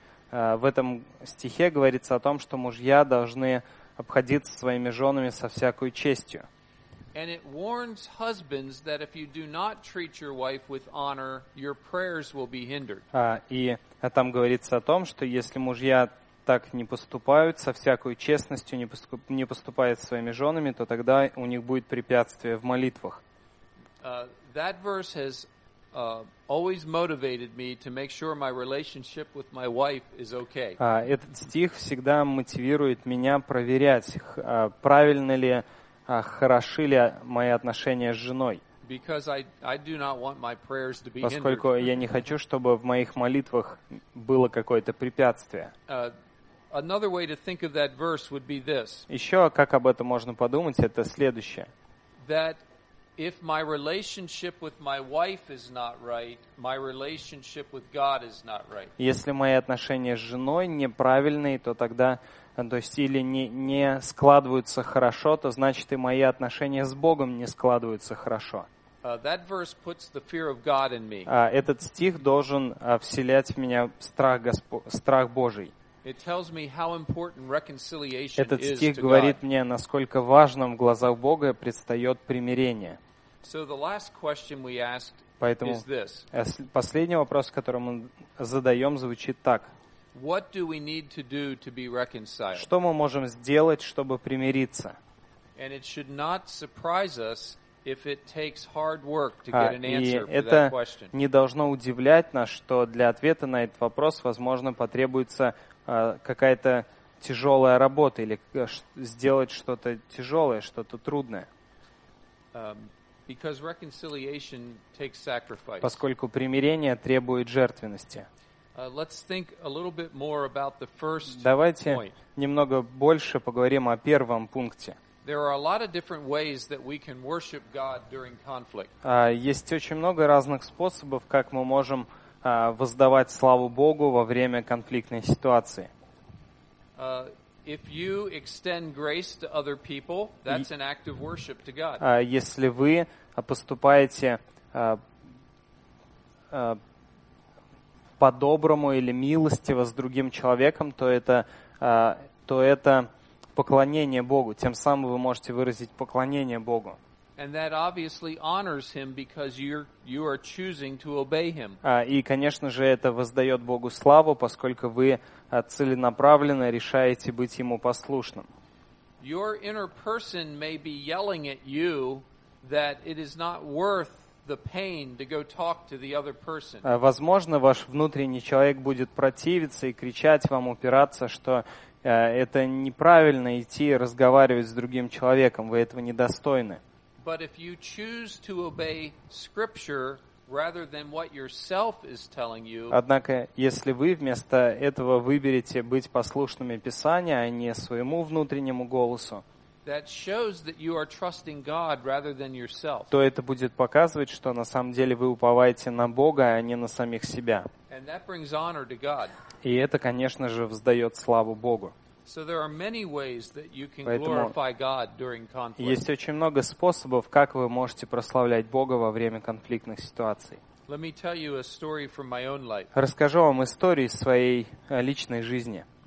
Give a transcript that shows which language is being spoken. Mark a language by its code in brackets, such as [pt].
[ru] В этом стихе говорится о том, что мужья должны обходиться своими женами со всякой честью. [en] And it warns husbands that if you do not treat your wife with honor, your prayers will be hindered. [ru] Там говорится о том, что если мужья так не поступают, со всякой честностью не поступают своими женами, то тогда у них будет препятствие в молитвах. [en] That verse has always motivated me to make sure my relationship with my wife is okay. [ru] Этот стих всегда мотивирует меня проверять, правильно ли, хороши ли мои отношения с женой. [en] Because I do not want my prayers to be hindered. [ru] Поскольку я не хочу, чтобы в моих молитвах было какое-то препятствие. [en] Another way to think of that verse would be this. [ru] Еще как об этом можно подумать, это следующее. [en] That if my relationship with my wife is not right, my relationship with God is not right. [ru] Если мои отношения с женой неправильные, то тогда, то есть, или не складываются хорошо, то значит и мои отношения с Богом не складываются хорошо. [en] That verse puts the fear of God in me. [ru] Этот стих должен вселять в меня страх Божий. [en] It tells me how important reconciliation is to God. [ru] Этот стих говорит мне, насколько важным в глазах Бога предстает примирение. [en] So the last question we asked [ru] Поэтому [en] is this. [ru] Последний вопрос, который мы задаем, звучит так. [en] What do we need to do to be reconciled? [ru] Что мы можем сделать, чтобы примириться? [en] And it should not surprise us if it takes hard work to get an answer [ru] И это [en] for that question. [ru] Не должно удивлять нас, что для ответа на этот вопрос, возможно, потребуется какая-то тяжелая работа или сделать что-то тяжелое, что-то трудное. [en] Because reconciliation takes sacrifice. [ru] Поскольку примирение требует жертвенности. [en] Let's think a little bit more about the first point. [ru] Давайте немного больше поговорим о первом пункте. [en] There are a lot of different ways that we can worship God during conflict. [ru] Есть очень много разных способов, как мы можем воздавать славу Богу во время конфликтной ситуации. [en] If you extend grace to other people, that's an act of worship to God. [ru] Если вы поступаете по-доброму или милостиво с другим человеком, то это поклонение Богу. Тем самым вы можете выразить поклонение Богу. [en] And that obviously honors him because you are choosing to obey him. [ru] И, конечно же, это воздает Богу славу, поскольку вы целенаправленно решаете быть ему послушным. [en] Your inner person may be yelling at you that it is not worth the pain to go talk to the other person. [ru] Возможно, ваш внутренний человек будет противиться и кричать вам, упираться, что это неправильно идти разговаривать с другим человеком, вы этого недостойны. [en] But if you choose to obey scripture rather than what yourself is telling you, [ru] однако если вы вместо этого выберете быть послушными Писанию, а не своему внутреннему голосу, [en] that shows that you are trusting God rather than yourself. [ru] То это будет показывать, что на самом деле вы уповаете на Бога, а не на самих себя. [en] And that brings honor to God. [ru] И это, конечно же, воздает славу Богу. [en] So there are many ways that you can glorify God during conflict. [ru] Есть очень много способов, как вы можете прославлять Бога во время конфликтных ситуаций. [en] Let me tell you a story from my own life. [ru] Расскажу вам историю из своей личной жизни.